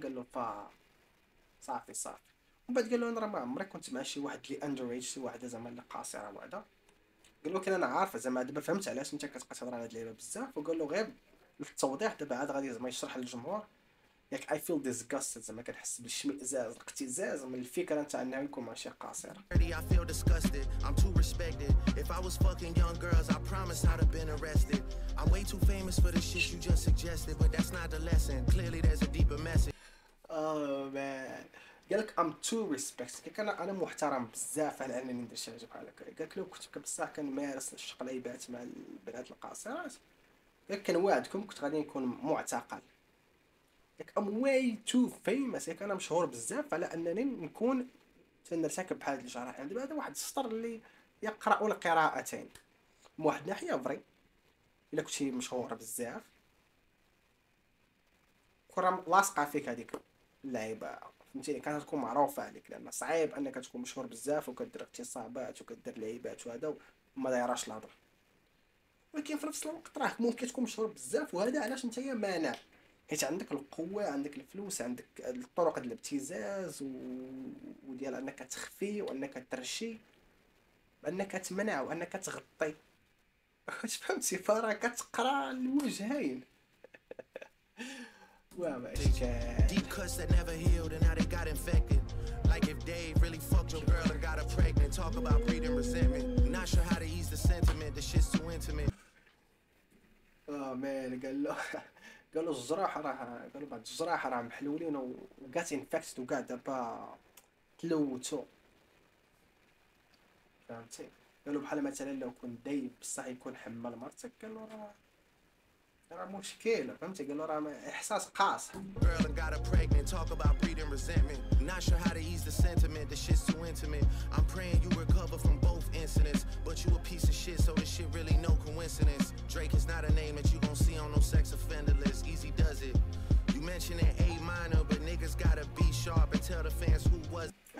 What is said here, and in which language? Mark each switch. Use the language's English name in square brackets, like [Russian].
[Arabic] قال له صافي من بعد قال له انا راه ما عمري كنت مع شي واحد لي اندر ايج شي واحد زعما اللي قاصره وهذا. قال له كان انا عارف زعما دابا فهمت علاش انت كتبقى تهضر على هاد اللعبه بزاف. وقال له غير في التوضيح دابا عاد غادي زعما يشرح للجمهور ياك [English] I feel disgust [Arabic] زعما كنحس بالاشمئزاز الاقتزاز من الفكره نتاع انه يكون مع شي قاصر. [English] I feel disgusted. I'm too respected. If I was fucking young girls, I promise I'd have been arrested. I'm way too famous for the shit you just suggested, but that's not the lesson. Clearly there's a deeper message. Oh man. [Arabic] قالك [English] I'm too respected [Arabic] كان انا محترم بزاف على انني ندير شي حاجه بحال هكا. قالك لو كنت بصح كنمارس الشق العيبات مع البنات القاصرات ياك كنوعدكم كنت غادي نكون معتقل. ياك [English] I'm way too famous [Arabic] ياك انا مشهور بزاف على انني نكون تنرتكب بحال هاد الجرائم. دابا هذا واحد السطر اللي يقرأ القراءتين من واحد ناحية فري إلا كنتي مشهور بزاف، كرة لاصقة فيك هذيك اللعيبة فهمتيني، كانت تكون معروفة عليك، لأن صعيب أنك تكون مشهور بزاف وكدير اغتصابات وكدير لعيبات وهذا وما دايراش الهضرة، ولكن في نفس الوقت راك ممكن تكون مشهور بزاف، وهذا علاش نتايا مانع، حيت عندك القوة، عندك الفلوس، عندك الطرق ديال الابتزاز وديال أنك تخفي وأنك ترشي وأنك تمنع وأنك تغطي، واش فهمتي؟ فراك تقرا الوجهين. واه [English] Deep cuts that never healed and now they got infected. Like if Dave really fucked your girl and got her pregnant. Talk about breeding resentment. Not sure how to ease the sentiment. This shit's too intimate. [Arabic] Oh man, قال له الجراح راه، قال له بعد الجراح راه محلولين و [English] got infected [Arabic] و قاعد دابا تلوتو، فهمتي؟ قال له بحال مثلا لو كنت دايب بصح يكون حمل مرتك، قال له راه مشكلة، فهمتي؟ قال له راه إحساس قاصح. [English] Girl and got her pregnant, talk about breeding resentment. Not sure how to ease the sentiment, the shit's too intimate. I'm praying you recover from both incidents, but you a piece of shit, so this shit really no coincidence. Drake is not a name that you gon' see on no sex offender list. Easy does it. You mentioned an A minor, but niggas gotta be sharp and tell the fans who was.